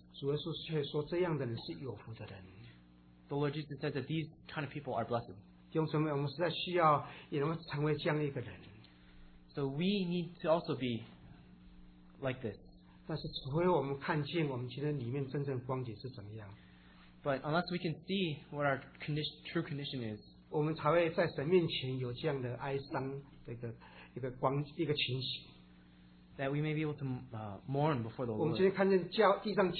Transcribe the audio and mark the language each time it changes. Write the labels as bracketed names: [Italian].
[Chinese] 主耶稣却说，这样的人是有福的人。 [English] The Lord Jesus says that these kind of people are blessed. [Chinese] 弟兄姊妹，我们实在需要也能成为这样一个人。 [English] So we need to also be like this. [Chinese] 但是除非我们看见我们今天里面真正光景是怎么样。 [English] But unless we can see what our condition, true condition is, [Chinese] 我们才会在神面前有这样的哀伤的一个。 [English] That we may be able to mourn before the Lord.